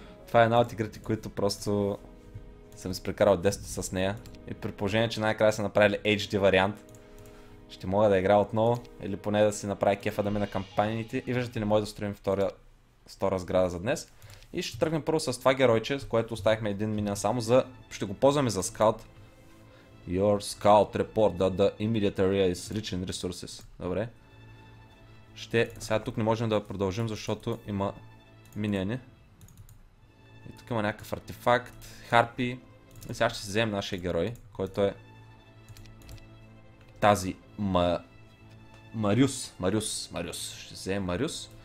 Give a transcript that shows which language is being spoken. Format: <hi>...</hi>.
<bg>Това е една от игрите, които просто съм си прекарал детството с нея. И при положение, че най-края са направили HD вариант, ще мога да играя отново или поне да си направя кефа да мина кампаниите. И виждате, не може да строим втора сграда за днес. И ще тръгнем първо с това геройче, с което оставихме един миниан само за... Ще го ползваме за скаут.</bg> <en>Your scout report that the immediate area is rich in resources.</en> <bg>Добре. Ще... Сега тук не можем да продължим, защото има миниани. И тук има някакъв артефакт, харпи. И сега ще си вземем нашия герой, който е... Тази... Мариус. Ще вземем Мариус.</bg>